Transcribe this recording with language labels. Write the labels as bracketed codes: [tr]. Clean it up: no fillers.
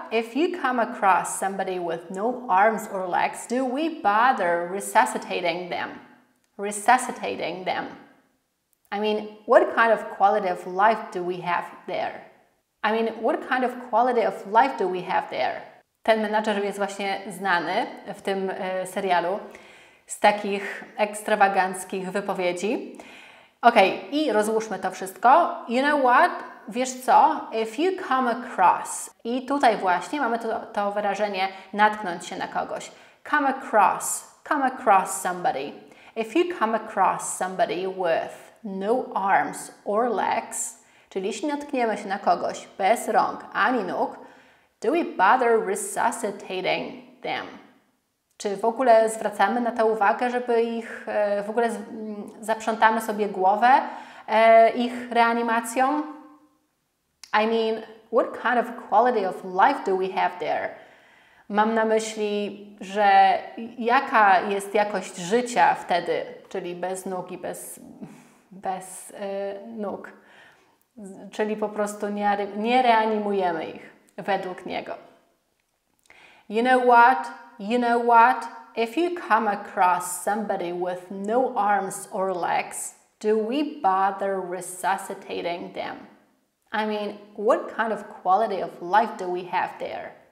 [en] If you come across somebody with no arms or legs, do we bother resuscitating them? Resuscitating them. I mean, what kind of quality of life do we have there? I mean, what kind of quality of life do we have there? [pl] Ten menadżer jest właśnie znany w tym serialu z takich ekstrawaganckich wypowiedzi. Okej, i rozłóżmy to wszystko. [en] You know what? [pl] Wiesz co? [en] If you come across. [pl] I tutaj właśnie mamy to wyrażenie natknąć się na kogoś. [en] Come across somebody. If you come across somebody with no arms or legs, [pl] czyli jeśli natkniemy się na kogoś bez rąk ani nóg, [en] do we bother resuscitating them? [pl] Czy w ogóle zwracamy na to uwagę, żeby ich w ogóle zaprzątamy sobie głowę ich reanimacją? [en] I mean, what kind of quality of life do we have there? [pl] Mam na myśli, że jaka jest jakość życia wtedy, czyli bez nóg i bez nóg. Czyli po prostu nie reanimujemy ich według niego. [en] You know what? You know what? If you come across somebody with no arms or legs, do we bother resuscitating them? I mean, what kind of quality of life do we have there?